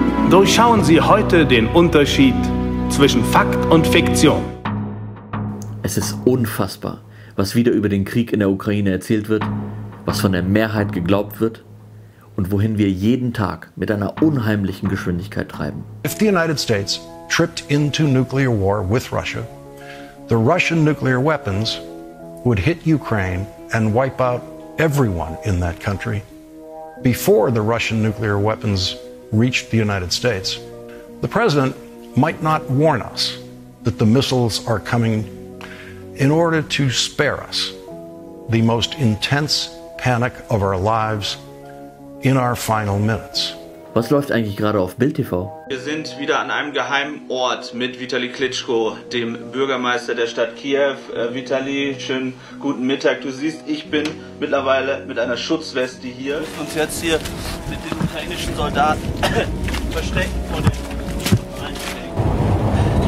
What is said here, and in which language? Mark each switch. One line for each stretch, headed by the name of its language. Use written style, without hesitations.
German: Durchschauen Sie heute den Unterschied zwischen Fakt und Fiktion. Es ist unfassbar, was wieder über den Krieg in der Ukraine erzählt wird, was von der Mehrheit geglaubt wird und wohin wir jeden Tag mit einer unheimlichen Geschwindigkeit treiben.
English: If the United States tripped into nuclear war with Russia, the Russian nuclear weapons would hit Ukraine and wipe out everyone in that country before the Russian nuclear weapons reached the United States. The president might not warn us that the missiles are coming in order to spare us the most intense panic of our lives in our final minutes.
German: Was läuft eigentlich gerade auf Bild TV? Wir sind wieder an einem geheimen Ort mit Vitali Klitschko, dem Bürgermeister der Stadt Kiew. Vitali, schönen guten Mittag. Du siehst, ich bin mittlerweile mit einer Schutzweste hier. Wir müssen uns jetzt hier mit den ukrainischen Soldaten verstecken vor den Einstecken.